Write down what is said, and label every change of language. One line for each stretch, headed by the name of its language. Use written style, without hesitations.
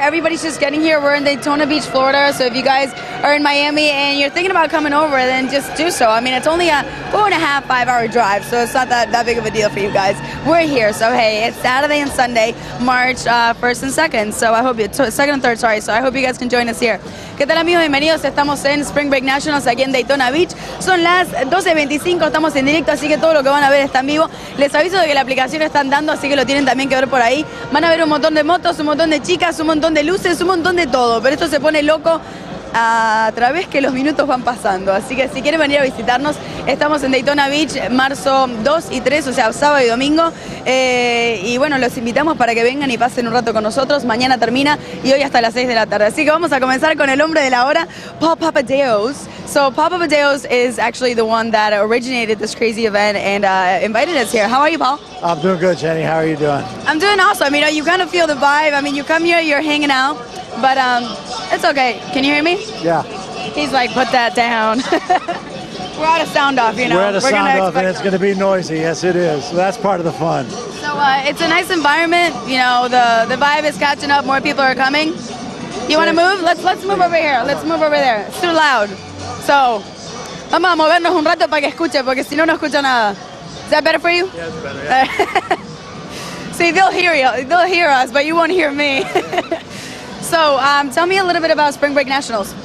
English: Everybody's just getting here. We're in Daytona Beach, Florida. So if you guys are in Miami and you're thinking about coming over, then just do so. I mean, it's only a 4.5-5-hour drive, so it's not that big of a deal for you guys. We're here. So hey, it's Saturday and Sunday, March 1st and 2nd. So I hope you 2nd and 3rd. Sorry. So I hope you guys can join us here.
Spanish: ¿Qué tal, amigos? Bienvenidos. Estamos en Spring Break Nationals aquí en Daytona Beach. Son las 12:25, estamos en directo, así que todo lo que van a ver está en vivo. Les aviso de que la aplicación está andando, así que lo tienen también que ver por ahí. Van a ver un montón de motos, un montón de chicas, un montón de luces, un montón de todo. Pero esto se pone loco a través que los minutos van pasando. Así que si quieren venir a visitarnos, estamos en Daytona Beach, marzo 2 y 3, o sea, sábado y domingo. Y bueno, los invitamos para que vengan y pasen un rato con nosotros. Mañana termina y hoy hasta las 6 de la tarde. Así que vamos a comenzar con el hombre de la hora, Paul Papadeos.
English: So Paul Papadeos is actually the one that originated this crazy event and invited us here. How are you, Paul? I'm doing good, Jenny. How are you doing? I'm doing awesome. You know, you kind of feel the vibe. I mean, you come here, you're hanging out. But it's okay. Can you hear me? Yeah. He's like, put that down. We're out of sound off, you know. We're out of sound off, and it's going to be noisy. Yes, it is. So that's part of the fun. So it's a nice environment. You know, the vibe is catching up. More people are coming. You want to move? Let's move over here. Let's move over there. It's too loud.
Spanish: So, vamos a movernos un rato para que escuche, porque si no, no escucha nada.
English: Is that better for you? Yeah, it's better. Yeah. See, they'll hear you. They'll hear us, but you won't hear me. So tell me a little bit about Spring Break Nationals.